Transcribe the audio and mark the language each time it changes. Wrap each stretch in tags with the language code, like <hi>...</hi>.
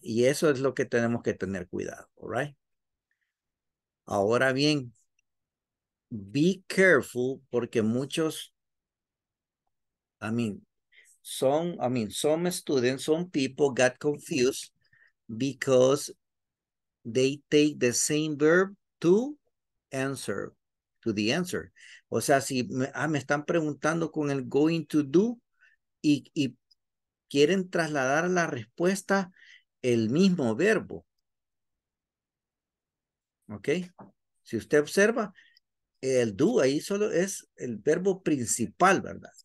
<es>Y eso es lo que tenemos que tener cuidado.</es> <en>All right?</en> <es>Ahora bien,</es> <en>be careful</en> <es>porque muchos,</es> <en>some students, some people got confused because they take the same verb to answer, to the answer.</en> <es>O sea, si me están preguntando con el going to do y quieren trasladar la respuesta el mismo verbo. ¿Ok? Si usted observa, el do ahí solo es el verbo principal, ¿verdad?</es>